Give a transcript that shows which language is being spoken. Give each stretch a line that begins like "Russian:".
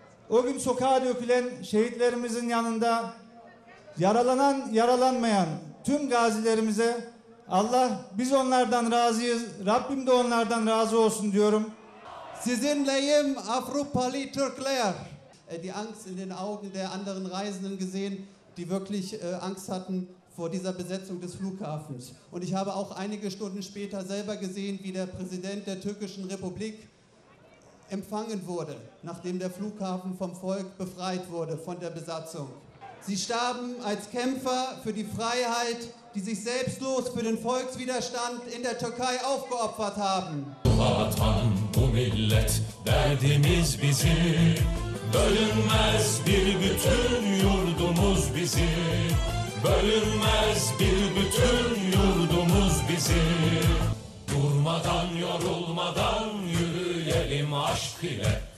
Turkish: O gün sokağa dökülen şehitlerimizin yanında yaralanan, yaralanmayan tüm gazilerimize Allah, biz onlardan razıyız, Rabbim de onlardan razı olsun diyorum. Sizinleyim Avrupalı Türkler.
German: Die Angst in den Augen der anderen Reisenden gesehen, die wirklich Angst hatten vor dieser Besetzung des Flughafens. Und ich habe auch einige Stunden später selber gesehen, wie der Präsident der Türkischen Republik empfangen wurde, nachdem der Flughafen vom Volk befreit wurde von der Besatzung. Sie starben als Kämpfer für die Freiheit, die sich selbstlos für den Volkswiderstand in der Türkei aufgeopfert haben.
Turkish: Vatan, bu millet, derdimiz bizi. Bölünmez bir bütün yurdumuz bizi. Bölünmez bir bütün yurdumuz bizi. Durmadan yorulmadan yürüyelim aşk ile.